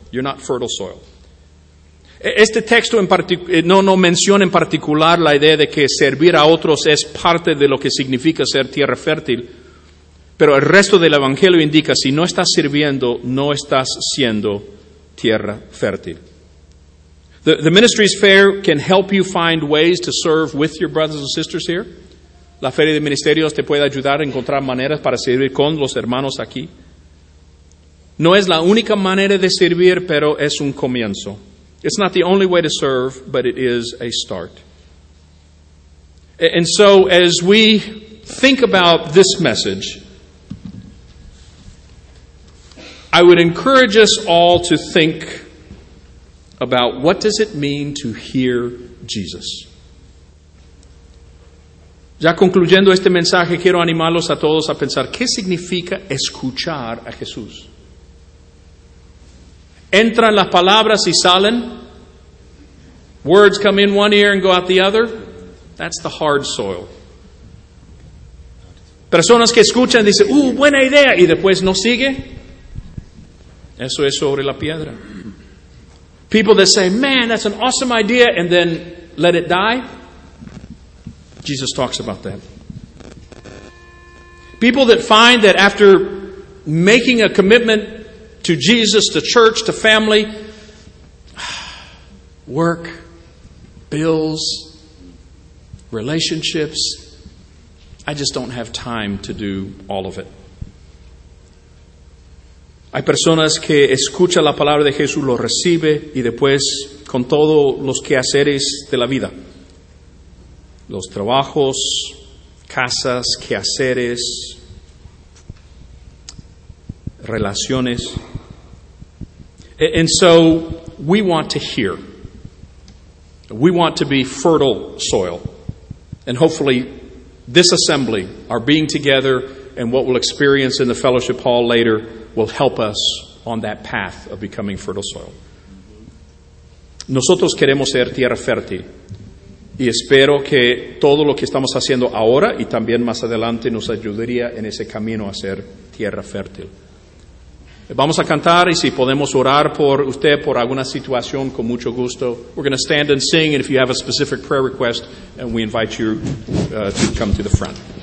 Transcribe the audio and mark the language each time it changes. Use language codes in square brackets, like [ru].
[en] You're not fertile soil. [es] Este texto no menciona en particular la idea de que servir a otros es parte de lo que significa ser tierra fértil, pero el resto del Evangelio indica, si no estás sirviendo, no estás siendo tierra fértil. [en] The ministry's fair can help you find ways to serve with your brothers and sisters here. [es] La feria de ministerios te puede ayudar a encontrar maneras para servir con los hermanos aquí. No es la única manera de servir, pero es un comienzo. [en] It's not the only way to serve, but it is a start. And so as we think about this message, I would encourage us all to think about what does it mean to hear Jesus. [es] Ya concluyendo este mensaje, quiero animarlos a todos a pensar, ¿qué significa escuchar a Jesús? ¿Entran las palabras y salen? [en] ¿Words come in one ear and go out the other? That's the hard soil. [es] Personas que escuchan dicen, buena idea, y después no sigue. Eso es sobre la piedra. [en] People that say, man, that's an awesome idea, and then let it die. Jesus talks about that. People that find that after making a commitment to Jesus, to church, to family, work, bills, relationships, I just don't have time to do all of it. [es] Hay personas que escuchan la palabra de Jesús, lo recibe y después con todos los quehaceres de la vida. Los trabajos, casas, quehaceres, relaciones. [en] And so we want to hear. We want to be fertile soil. And hopefully this assembly, our being together, and what we'll experience in the fellowship hall later will help us on that path of becoming fertile soil. [es] Nosotros queremos ser tierra fértil. Y espero que todo lo que estamos haciendo ahora y también más adelante nos ayudaría en ese camino a ser tierra fértil. Vamos a cantar y si podemos orar por usted por alguna situación, con mucho gusto. [en] We're going to stand and sing, and if you have a specific prayer request, and we invite you to come to the front.